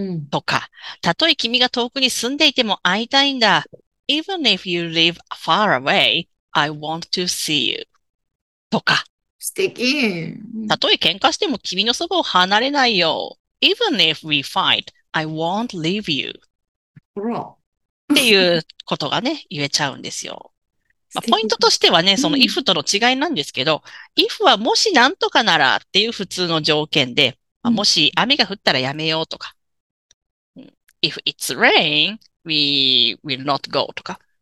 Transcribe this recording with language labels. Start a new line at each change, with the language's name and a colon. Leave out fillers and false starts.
Japanese: とか、たとえ君が遠くに住んでいても会いたいんだ。
English: Even if you live far away, I want to see you.
Japanese: とか。素敵。たとえ喧嘩しても君のそばを離れないよ。
English: Even if we fight, I won't leave you.
Japanese: っていうことがね、言えちゃうんですよ。まあ、ポイントとしてはね、その if との違いなんですけど、if はもしなんとかならっていう普通の条件で、まあ、もし雨が降ったらやめようとか、
English: if it's rain, we will not go
Japanese: とか。